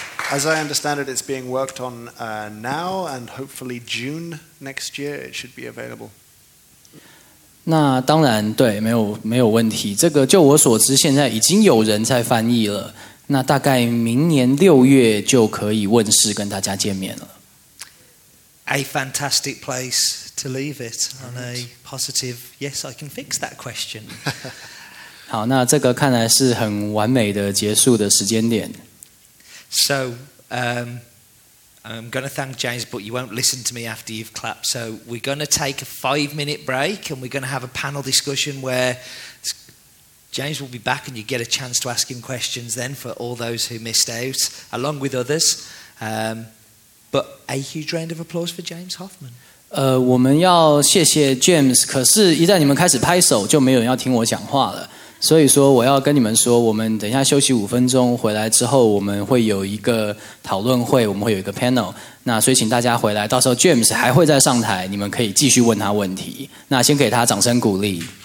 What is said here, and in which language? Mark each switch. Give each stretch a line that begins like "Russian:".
English: As I understand it, it's being worked on now, and hopefully June next year, it should be available.
Chinese: 那当然，对，没有问题。这个就我所知，现在已经有人在翻译了。那大概明年六月就可以问世，跟大家见面了。
English: A fantastic place to leave it on a positive. Yes, I can fix that question.
Chinese: 好，那这个看来是很完美的结束的时间点。
English: So, I'm going to thank James, but you won't listen to me after you've clapped. So we're going to take a 5-minute break, and we're going to have a panel discussion where James will be back, and you get a chance to ask him questions then for all those who missed out, along with others. But a huge round of applause for James Hoffman.
Chinese: 我们要谢谢 James, 可是一旦你们开始拍手，就没有人要听我讲话了。所以说我要跟你们说，我们等一下休息五分钟，回来之后我们会有一个讨论会，我们会有一个 panel, 那所以请大家回来，到时候 James 还会再上台，你们可以继续问他问题，那先给他掌声鼓励。